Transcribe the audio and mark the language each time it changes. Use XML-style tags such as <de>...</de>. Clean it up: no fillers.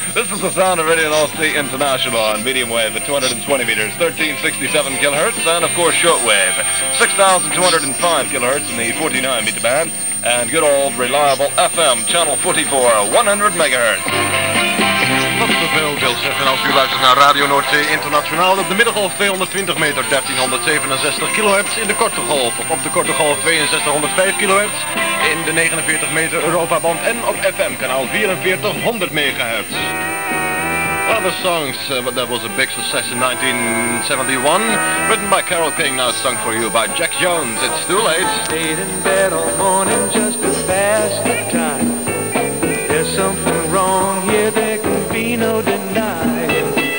<en>This is the sound of Radio NLC International on medium wave at 220 meters, 1367 kilohertz, and of course shortwave, 6205 kilohertz in the 49 meter band, and good old reliable FM channel 44, 100 megahertz.</en> <nl>Veel wil zeggen als u luistert naar Radio Noordzee Internationaal op de middengolf 220 meter 1367 kHz in de korte golf of op de korte golf 6205 kHz in de 49 meter Europa band en op FM kanaal 4400 MHz.</nl> <en>Other songs, but that was a big success in 1971, written by Carole King, now sung for you by Jack Jones. It's too late. Stayed in bed all morning just to pass the time. There's something wrong here, there can be no denying.</en>